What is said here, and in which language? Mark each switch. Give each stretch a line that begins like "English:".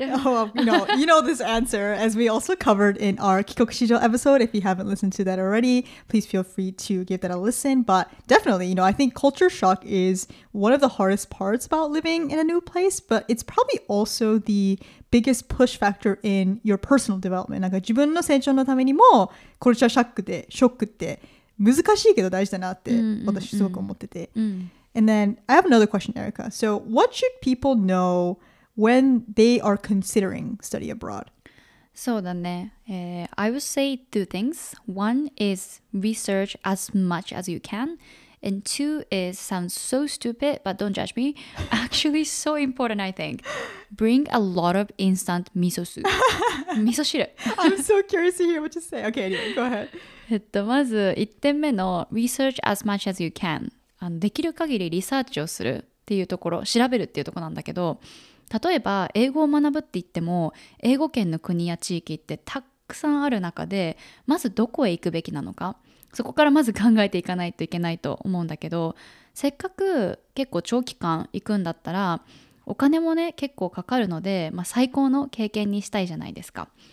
English: Oh, no, you know this answer, as we also covered in our Kikoku Shijo episode. If you haven't listened to that already, please feel free to give that a listen. But definitely, you know, I think culture shock is one of the hardest parts about living in a new place, but it's probably also the biggest push factor in your personal development.
Japanese: なんか自分の成長のためにもコルチャーショックで、ショックって難しいけど大事だなって私すごく思ってて。
English: And then I have another question, Erika. So what should people know when they are considering study abroad?
Japanese: そうだね。
English: I would say two things. One is research as much as you can. And two is, sounds so stupid, but don't judge me. Actually, so important, I think. Bring a lot of instant miso soup. Miso shiru. I'm so curious to hear what you say. Okay, anyway, go ahead.
Japanese: まず、1点目の
English: research as much as you can.
Japanese: できる限りリサーチをするっていうところ、調べるっていうところなんだけど、例えば、英語を学ぶって言っても、英語圏の国や地域ってたくさんある中で、まずどこへ行くべきなのか。そこからまず考えていかないといけないと思うんだけど、せっかく結構長期間行くんだったら、お金もね結構かかるので、まあ、最高の経験にしたいじゃないですか。